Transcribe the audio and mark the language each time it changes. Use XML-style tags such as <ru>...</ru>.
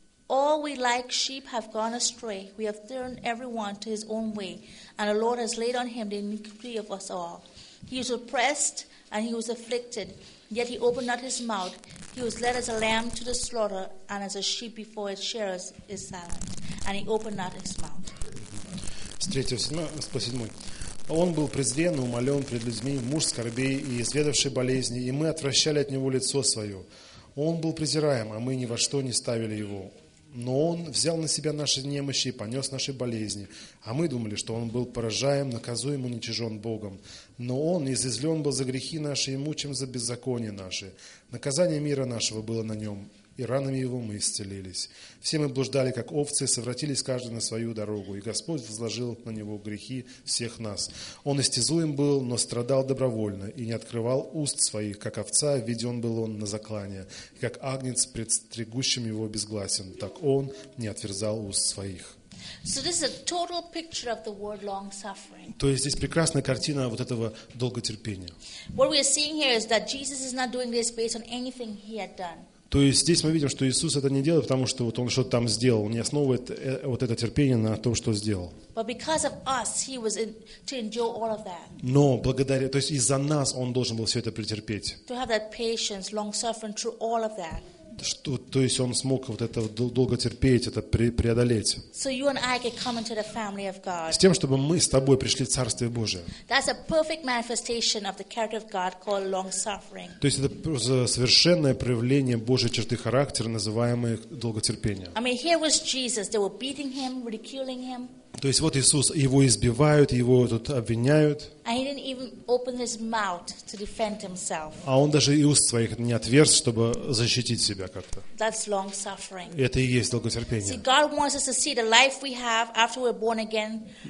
<en>All we like sheep have gone astray, we have turned every one to his own way, and the Lord has laid on him the iniquity of us all. He was oppressed and he was afflicted, yet he opened not his mouth. He was led as a lamb to the slaughter, and as a sheep before its shearers is silent, and he opened not his mouth.</en> <ru>С 3-7. Он был презрен и умолен пред людьми, муж скорбей и изведавший болезни, и мы отвращали от него лицо свое. Он был презираем, а мы ни во что не ставили его. Но он взял на себя наши немощи и понес наши болезни. А мы думали, что он был поражаем, наказуем и уничижен Богом. Но он изъязвлен был за грехи наши и мучим за беззаконие наши. Наказание мира нашего было на нем, и ранами его мы исцелились. Все мы блуждали, как овцы, совратились каждый на свою дорогу. И Господь возложил на него грехи всех нас. Он истязуем был, но страдал добровольно, и не открывал уст своих, как овца, введен был он на заклание. И как агнец, пред стригущим его безгласен, так он не отверзал уст своих.</ru> <en>So this is a total picture of the word long suffering.</en> <ru>То есть здесь прекрасная картина вот этого долготерпения.</ru> <en>What we are seeing here is that Jesus is not doing this based on anything he had done.</en> <ru>То есть здесь мы видим, что Иисус это не делает, потому что вот он что-то там сделал, не основывает вот это терпение на том, что сделал.</ru> <en>But because of us, he was to endure all of that.</en> <ru>Но благодаря, то есть из-за нас он должен был все это претерпеть.</ru> <en>To have that patience, long suffering through all of that.</en> <ru>Что, то есть он смог вот это долго терпеть, это преодолеть.</ru> <en>So you and I can come into the family of God.</en> <ru>С тем, чтобы мы с тобой пришли в Царствие Божие.</ru> <en>That's a perfect manifestation of the character of God called long-suffering.</en> <ru>То есть это совершенное проявление Божьей черты характера, называемое долготерпение.</ru> <en>I mean, here was Jesus. They were beating him, ridiculing him.</en> <ru>То есть вот Иисус, его избивают, его тут обвиняют.</ru> <en>And he didn't even open his mouth to defend himself.</en> <ru>А он даже и уст своих не отверз, чтобы защитить себя как-то.</ru> <en>That's long suffering.</en> <ru>Это и есть долготерпение.</ru> <en>See, God wants us to see the life we have after we're born again.</en>